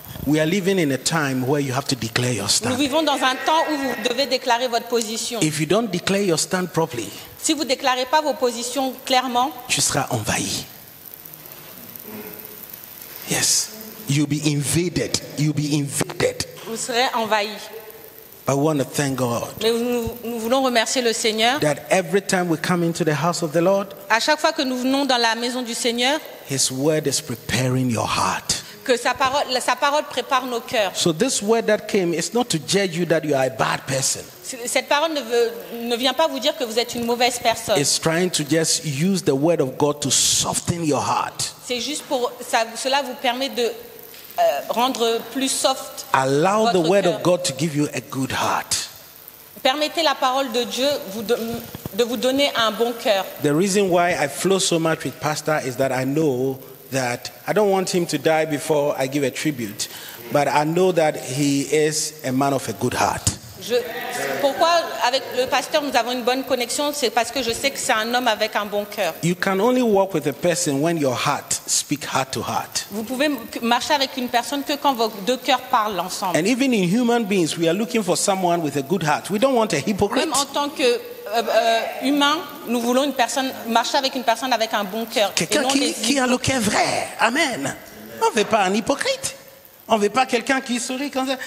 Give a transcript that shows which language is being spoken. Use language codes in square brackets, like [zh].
[en] We are living in a time where you have to declare your stand. [fr] Nous vivons dans un temps où vous devez déclarer votre position. [en] If you don't declare your stand properly, [fr] si vous déclarez pas vos positions clairement, tu seras envahi. [en] Yes, you'll be invaded. You'll be invaded. [fr] Vous serez envahi. [en] But we want to thank God. [fr] Mais nous voulons remercier le Seigneur. [en] That every time we come into the house of the Lord, [fr] à chaque fois que nous venons dans la maison du Seigneur, [en] His word is preparing your heart. [fr] Que sa parole prépare nos cœurs. [en] So this word that came is not to judge you that you are a bad person. [fr] Cette parole ne vient pas vous dire que vous êtes une mauvaise personne. [en] It's trying to just use the word of God to soften your heart. [fr] C'est juste pour ça, cela vous permet de rendre plus soft. [en] Allow [fr] votre [en] the word [fr] cœur. [en] Of God to give you a good heart. [fr] Permettez la parole de Dieu de vous donner un bon cœur. [en] The reason why I flow so much with pastor is that I know that I don't want him to die before I give a tribute, but I know that he is a man of a good heart. [fr] Pourquoi avec le pasteur nous avons une bonne connexion, c'est parce que je sais que c'est un homme avec un bon cœur. [en] You can only walk with a person when your heart speaks heart to heart. [fr] Vous pouvez marcher avec une personne que quand vos deux cœurs parlent ensemble. [en] And even in human beings, we are looking for someone with a good heart. We don't want a hypocrite. [fr] Même en tant que humain, nous voulons une personne marcher avec une personne avec un bon cœur. Quelqu'un qui a le cœur vrai. Amen. On ne veut pas un hypocrite. On ne veut pas quelqu'un qui sourit comme ça.